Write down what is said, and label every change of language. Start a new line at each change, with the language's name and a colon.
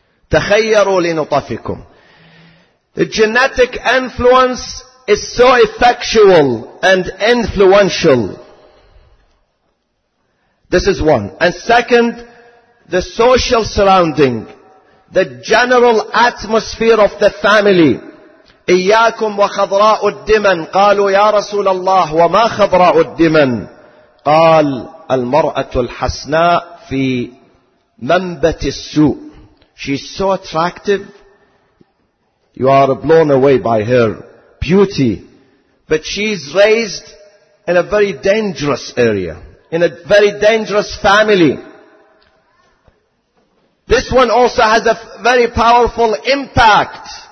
Arabic: تَخَيَّرُوا لِنُطَفِكُمْ.
English: The genetic influence is so effectual and influential. This is one. And second, the social surrounding, the general atmosphere of the family.
Arabic: إِيَّاكُمْ وَخَضْرَاءُ الدِّمَنْ قَالُوا يَا رَسُولَ اللَّهُ وَمَا خَضْرَاءُ الدِّمَنْ قال المرأة الحسناء في منبة السوء.
English: She's so attractive. You are blown away by her beauty. But she's raised in a very dangerous area. In a very dangerous family. This one also has a very powerful impact.